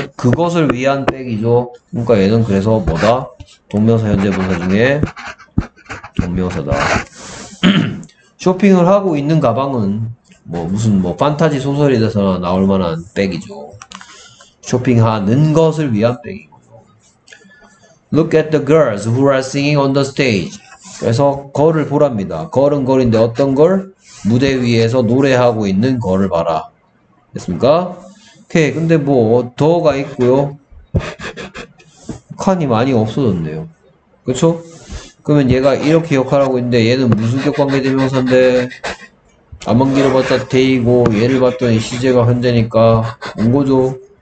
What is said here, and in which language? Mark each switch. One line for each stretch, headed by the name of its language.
Korean: 그것을 위한 백이죠. 그러니까 얘는 그래서 뭐다? 동명사 현재 분사 중에 동명사다. 쇼핑을 하고 있는 가방은 뭐 무슨 뭐 판타지 소설에 대해서 나올 만한 백이죠. 쇼핑하는 것을 위한 백이고요.
English: Look at the girls who are singing on the stage.
Korean: 그래서 걸을 보랍니다. 걸은 걸인데 어떤 걸? 무대 위에서 노래하고 있는 걸을 봐라. 됐습니까? 오케이. 근데 뭐 더가 있고요. 칸이 많이 없어졌네요. 그쵸? 그러면 얘가 이렇게 역할하고 있는데 얘는 무슨 격관계 대명사인데 안만 길어봤자 데이고 얘를 봤더니 시제가 현재니까 온 거죠.